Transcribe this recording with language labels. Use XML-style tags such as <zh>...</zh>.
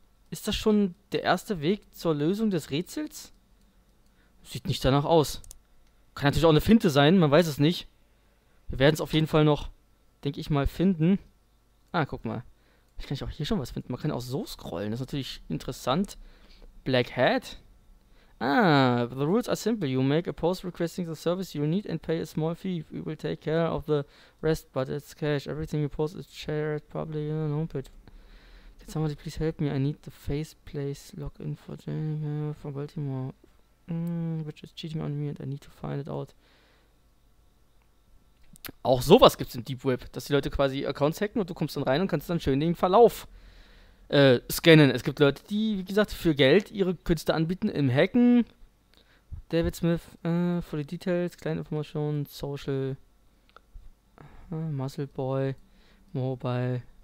<de>Ist das schon der erste Weg zur Lösung des Rätsels? Sieht nicht danach aus. Kann natürlich auch eine Finte sein, man weiß es nicht. Wir werden es auf jeden Fall noch, denke ich mal, finden. Ah, guck mal. Vielleicht kann ich auch hier schon was finden. Man kann auch so scrollen. Das ist natürlich interessant.</de> <en>Black Hat. Ah, the rules are simple. You make a post requesting the service you need and pay a small fee. We will take care of the rest, but it's cash. Everything you post is shared publicly on the homepage. Can somebody please help me? I need the face place login for Jennifer from Baltimore. Which is cheating on me and I need to find it out.</en> <de>Auch sowas gibt's im Deep Web, dass die Leute quasi Accounts hacken und du kommst dann rein und kannst dann schön den Verlauf scannen. Es gibt Leute, die, wie gesagt, für Geld ihre Künste anbieten im Hacken.</de> <en>David Smith, for the details,</en> <de>kleine Informationen,</de> <en>Social, Muscle Boy, Mobile.</en>